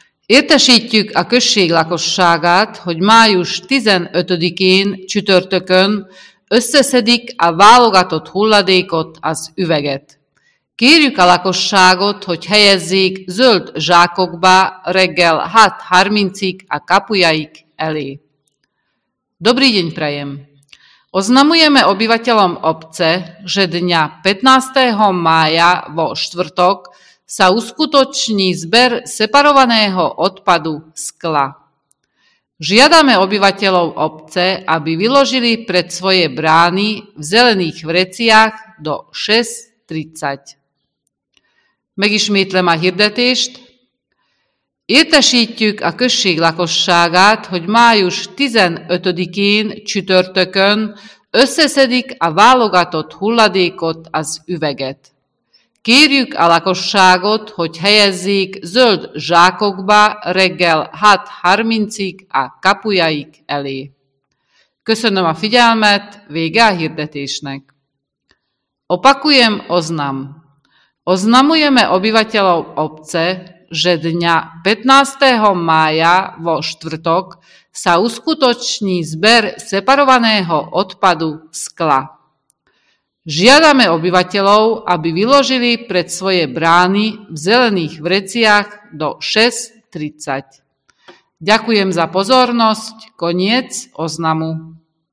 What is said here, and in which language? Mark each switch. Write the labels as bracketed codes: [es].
[hu] Értesítjük a község lakosságát, hogy május 15-én, csütörtökön összeszedik a válogatott hulladékot, az üveget. Kérjük a lakosságot, hogy helyezzék zöld zsákokba reggel 6:30-ig a kapujaik elé. [sk] Dobrý deň prajem! Oznamujeme obyvateľom obce, že dňa 15. mája vo štvrtok sa uskutoční zber separovaného odpadu skla. Žiadame obyvateľov obce, aby vyložili pred svoje brány v zelených vreciach do 6:30. [hu] Megismétlem a hirdetést. Értesítjük a község lakosságát, hogy május 15-én csütörtökön összeszedik a válogatott hulladékot, az üveget. Kérjük a lakosságot, hogy helyezzék zöld zsákokba reggel 6:30-ig a kapujaik elé. Köszönöm a figyelmet, vége a hirdetésnek. [sk] Opakujem oznam. Oznamujeme obyvateľov obce, že dňa 15. mája vo štvrtok sa uskutoční zber separovaného odpadu skla. Žiadame obyvateľov, aby vyložili pred svoje brány v zelených vreciach do 6:30. Ďakujem za pozornosť. Koniec oznamu.